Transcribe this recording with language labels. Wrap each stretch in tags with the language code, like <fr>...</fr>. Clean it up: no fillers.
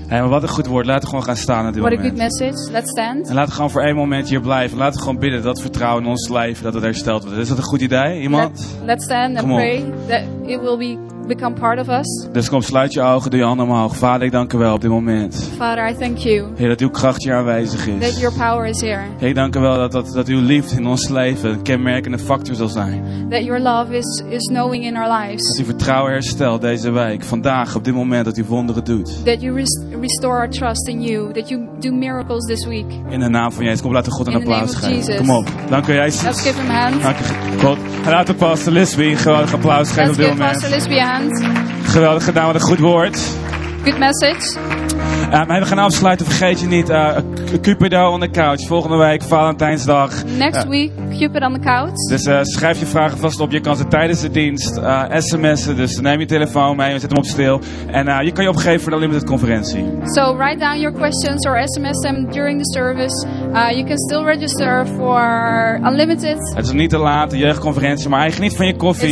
<nl>Hey, maar wat een goed woord. Laten we gewoon gaan staan op dit</nl> <en>what</en> <nl>moment.</nl> <en>What a good message. Let's stand.</en> <nl>En laten we gewoon voor één moment hier blijven. Laten we gewoon bidden dat vertrouwen in ons leven, dat het hersteld wordt. Is dat een goed idee, iemand?</nl> <en>Let's stand and pray that it will become part of us.</en> <nl>Dus kom, sluit je ogen, doe je handen omhoog. Vader, ik dank u wel op dit moment.</nl> <en>Father, I thank you.</en> <nl>Heer, dat uw kracht hier aanwezig is.</nl> <en>That your power is here.</en> <nl>Heer, dank u wel dat uw liefde in ons leven een kenmerkende factor zal zijn.</nl> <en>That your love is knowing in our lives.</en> <nl>Dat uw vertrouwen herstelt deze week, vandaag, op dit moment, dat u wonderen doet.</nl> <en>That you restore our trust in you. That you do miracles this week.</en> <nl>In de naam van Jezus. Kom, laten we God een applaus geven.</nl> <en>Jesus.</en> <nl>Kom op. Dank u, Jezus.</nl> <en>Let's give him hands.</en> <nl>Dank u, God. En laat de pastor Lisby een geweldig applaus geven op dit moment.</nl> <en>Let's give pastor Lisby hands.</en> <nl>Geweldig gedaan, wat een goed woord.</nl> <en>Good message.</en> <nl>We gaan afsluiten, vergeet je niet. Cupido on the couch. Volgende week, Valentijnsdag.</nl> <en>Next week, Cupid on the couch.</en> <nl>Dus schrijf je vragen vast op. Je kan ze tijdens de dienst sms'en. Dus neem je telefoon mee, we zetten hem op stil. En je kan je opgeven voor de Unlimited conferentie.</nl> <en>So write down your questions or sms them during the service. You can still register for Unlimited.</en> <nl>Het is niet te laat, de jeugdconferentie. Maar geniet van je koffie.</nl>